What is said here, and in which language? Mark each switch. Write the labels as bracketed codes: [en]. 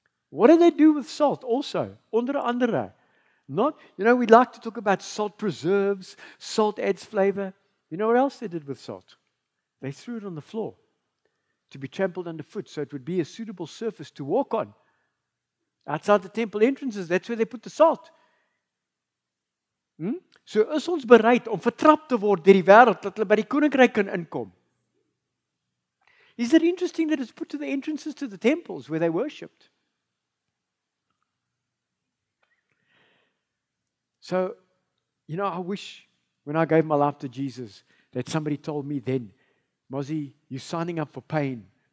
[en] What do they do with salt also? [af] Onder andere. [en] Not, you know, we like to talk about salt preserves, salt adds flavor. You know what else they did with salt? They threw it on the floor to be trampled underfoot so it would be a suitable surface to walk on. Outside the temple entrances, that's where they put the salt. [af] So is ons bereid om vertrap te word deur die wêreld dat hulle by die koninkryk kan inkom? [en] Is it interesting that it's put to the entrances to the temples where they worshipped? So, you know, I wish when I gave my life to Jesus that somebody told me then, Mozzie, you're signing up for pain.